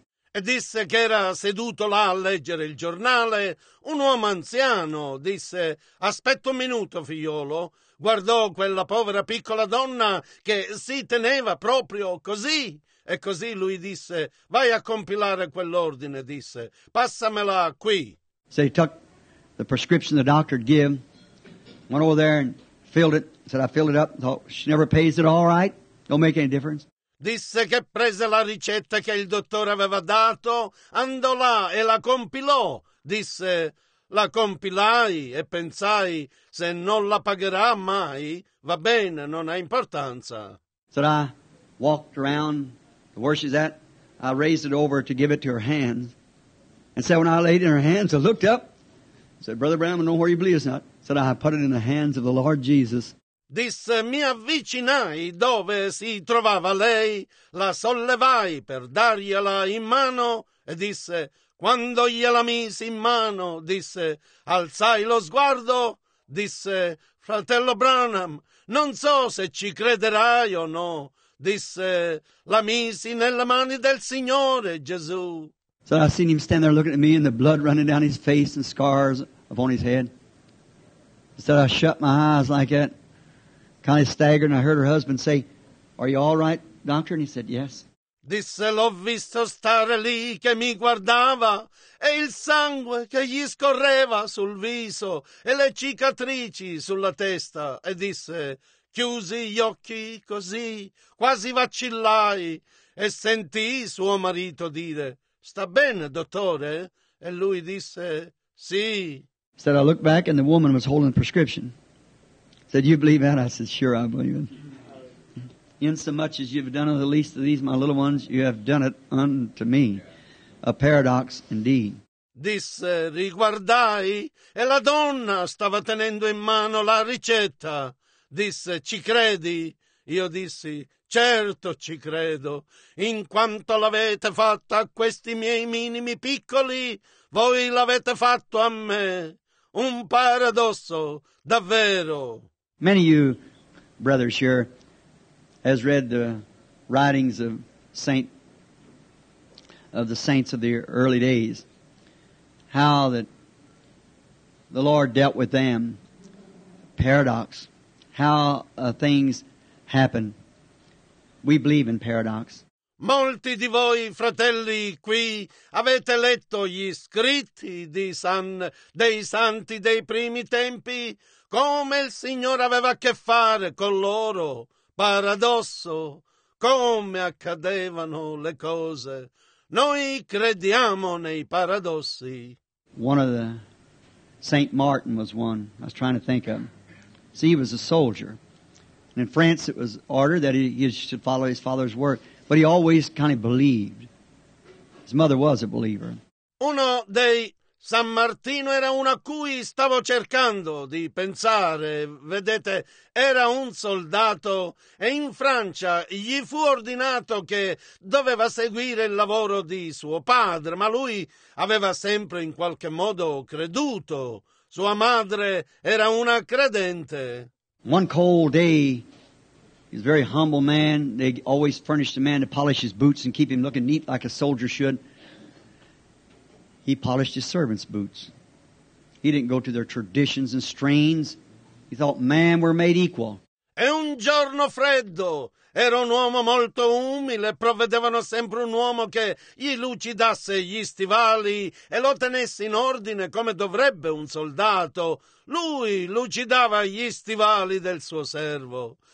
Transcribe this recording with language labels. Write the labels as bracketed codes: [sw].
[it] E disse che era seduto là a leggere il giornale. Un uomo anziano disse, aspetta un minuto, figliolo. Guardò quella povera piccola donna che si teneva proprio così. E così lui disse, vai a compilare quell'ordine, disse, passamela qui. [en] So he took the prescription the doctor gave, went over there and filled it. Said, I filled it up. Thought, she never pays it all right. Don't make any difference. [it] Disse che prese la ricetta che il dottore aveva dato, andò là e la compilò. Disse, la compilai e pensai, se non la pagherà mai, va bene, non ha importanza. [en] So I walked around to where she's at. I raised it over to give it to her hands. And said, when I laid it in her hands, I looked up. Said, Brother Branham, I know where you believe it's not. Said, I put it in the hands of the Lord Jesus. [it] Disse, mi avvicinai dove si trovava lei, la sollevai per dargliela in mano e disse, quando gliela misi in mano, disse, alzai lo sguardo, disse, fratello Branham, non so se ci crederai o no, disse, la misi nelle mani del Signore Gesù. [en] So I seen him stand there looking at me and the blood running down his face and scars upon his head. So I shut my eyes like that. Kind of staggered, and I heard her husband say, are you all right, doctor? And he said, yes. [it] Disse, l'ho visto stare lì che mi guardava, e il sangue che gli scorreva sul viso, e le cicatrici sulla testa. E disse, chiusi gli occhi così, quasi vacillai, e sentì suo marito dire, sta bene, dottore? E lui disse, sì. [en] Said, I looked back, and the woman was holding a prescription. Said, you believe that? I said, sure, I believe it. In so much as you've done of the least of these, my little ones, you have done it unto me. A paradox indeed. [it] Disse, riguardai, e la donna stava tenendo in mano la ricetta. Disse, ci credi? Io dissi, certo ci credo. In quanto l'avete fatta a questi miei minimi piccoli, voi l'avete fatto a me. Un paradosso, davvero. [en] Many of you brothers here has read the writings of the saints of the early days, how that the Lord dealt with them, paradox, how things happen. We believe in paradox. [it] Molti di voi, fratelli, qui avete letto gli scritti dei santi dei primi tempi, come il Signore aveva a che fare con loro. Paradosso, come accadevano le cose. Noi crediamo nei paradossi. [en] One of the, Saint Martin was one, I was trying to think of. See, he was a soldier. And in France it was ordered that he should follow his father's work. But he always kind of believed. His mother was a believer. [it] Uno dei San Martino era uno a cui stavo cercando di pensare. Vedete, era un soldato e in Francia gli fu ordinato che doveva seguire il lavoro di suo padre, ma lui aveva sempre in qualche modo creduto. Sua madre era una credente. [en] One cold day, he's a very humble man. They always furnished a man to polish his boots and keep him looking neat like a soldier should. He polished his servant's boots. He didn't go to their traditions and strains. He thought, man, we're made equal. [it] E un giorno freddo, era un uomo molto umile, provvedevano sempre un uomo che gli lucidasse gli stivali e lo tenesse in ordine come dovrebbe un soldato. Lui lucidava gli stivali del suo servo.